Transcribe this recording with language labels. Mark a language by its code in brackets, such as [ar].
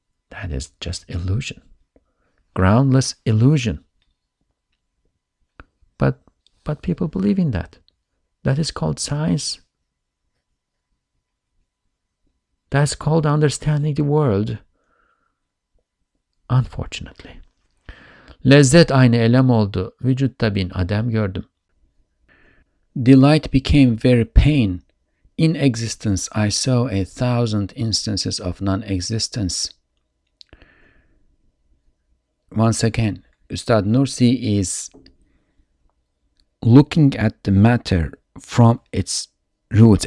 [en] That is just illusion, groundless illusion. But people believe in that. That is called science. That's called understanding the world. Unfortunately. [tr] Lezzet aynı elem oldu, vücutta bin adem gördüm. [en] Delight became very pain. In existence I saw 1,000 instances of non-existence. Once again, Üstad Nursi is looking at the matter from its roots.